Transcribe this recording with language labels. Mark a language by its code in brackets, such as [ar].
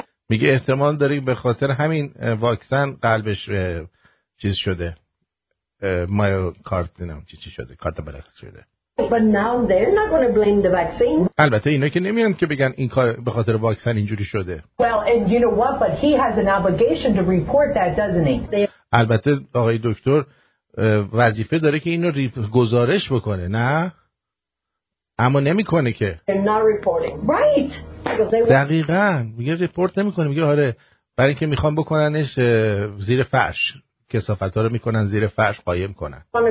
[fa] میگه احتمال داره به خاطر همین واکسن قلبش چیز شده. مایوکاردیتیس چی شده؟ کاتابلکس شده. [en] But now they're not going to blame the vaccine. [fa] البته اینا که نمیان که بگن این به خاطر واکسن اینجوری شده. [en] Well, and you know what? But he has an obligation to report that, doesn't he? [fa] البته آقای دکتر وظیفه داره که اینو گزارش بکنه، نه؟ اما نمیکنه که. [en] They're not reporting. Right. [fa] دقیقاً میگه ریپورت نمیکنه، میگه آره برای اینکه میخوان بکننش زیر فرش، کثافتا رو میکنن زیر فرش قایم کنن.